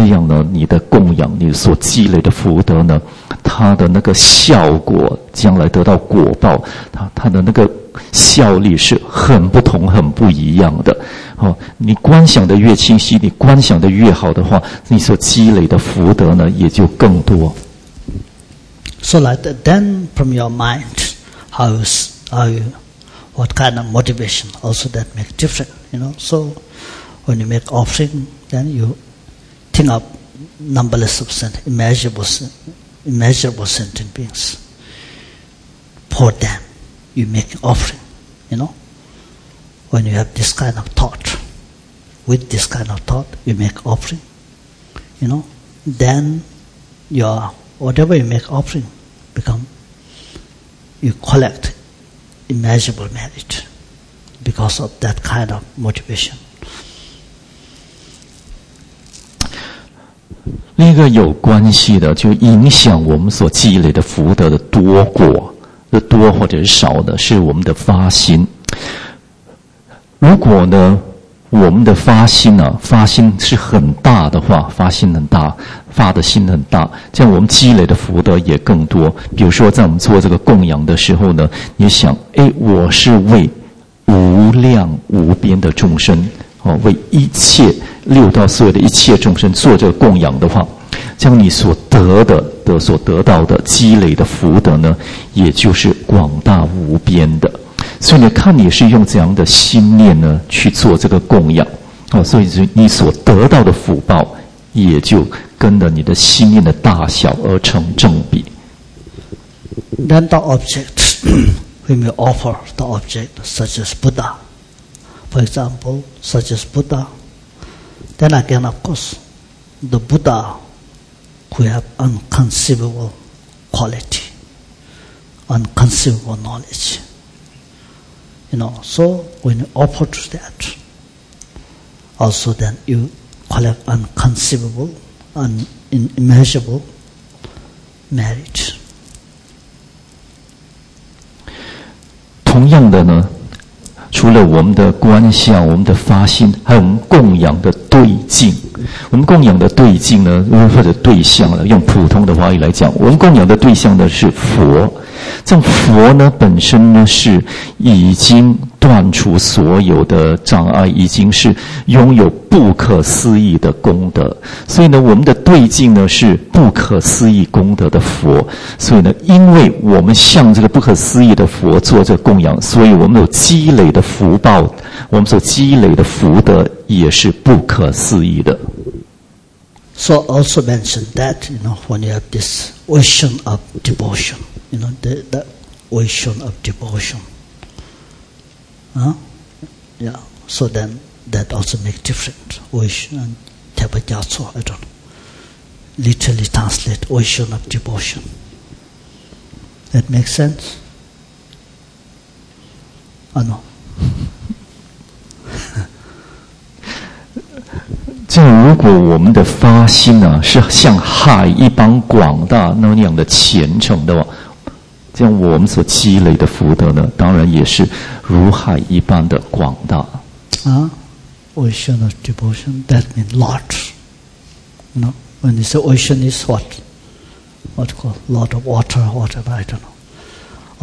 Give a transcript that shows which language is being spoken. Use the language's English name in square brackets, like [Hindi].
[Chinese] 所以呢，我们不只是供养这一小朵的花或者一小盏的灯，而是呢，我们想啊，我们的这供养呢，通过观想的方法，遍布、遍满整个宇宙啊，整个虚空啊，全部都是我们的供养。好，这样如果我们都可以这样去观想，而且观想的很清晰的话，很清晰啊，不是乱乱糟糟的，很清晰的话，如果我们有这个能力的话，这样去观想的话，这样呢，你的供养，你所积累的福德呢，它的那个效果将来得到果报，它的那个。效力是很不同很不一样的、哦、你观想的越清晰，你观想的越好的话，你所积累的福德呢也就更多。 [English] So like that, then from your mind how are you, what kind of motivation also that make different, you know? So when you make offering, then you think of numberless of sent, immeasurable sentient beings. For them, you make offering, you know? When you have this kind of thought, with this kind of thought, you make offering, you know? Then, whatever you make offering, you collect immeasurable merit because of that kind of motivation. [Chinese] 那个有关系的，就影响我们所积累的福德的多果的多或者少的，是我们的发心。如果呢，我们的发心呢、啊，发心是很大的话，发心很大，发的心很大，这样我们积累的福德也更多。比如说，在我们做这个供养的时候呢，你想，哎，我是为无量无边的众生。哦、为一切六道所有的一切众生做这个供养的话，将你所得的所得到的积累的福德呢，也就是广大无边的。所以你看你是用怎样的心念呢去做这个供养、哦、所以你所得到的福报也就跟着你的心念的大小而成正比。 [English] Then the object we may offer the object such as BuddhaFor example, such as Buddha, then again, of course, the Buddha who have unconceivable quality, unconceivable knowledge. You know, so when you offer to that, also then you collect unconceivable, unimaginable merit. [Chinese] 同样的呢除了我们的观想、我们的发心，还有我们供养的对境。我们供养的对境呢，或者对象呢，用普通的话语来讲，我们供养的对象呢是佛。这佛呢本身呢是已经断除所有的障碍，已经是拥有不可思议的功德。所以呢，我们的对境呢是不可思议功德的佛。所以呢，因为我们向这个不可思议的佛做这个供养，所以我们有积累的福报，我们所积累的福德也是不可思议的。 [English] So also mentioned that, you know, when you have this ocean of devotion, you know, the ocean of devotion. So then that also makes difference. Ocean and tabajatsu, I don't know. Literally translate ocean of devotion. That makes sense? I don't know. [Chinese] 就如果我们的发心呢、啊、是像海一般广大那样的虔诚的话，这样我们所积累的福德呢，当然也是如海一般的广大。 [English] 啊 ，ocean of devotion that means large. No, when you say ocean is what call lot of water, whatever I don't know.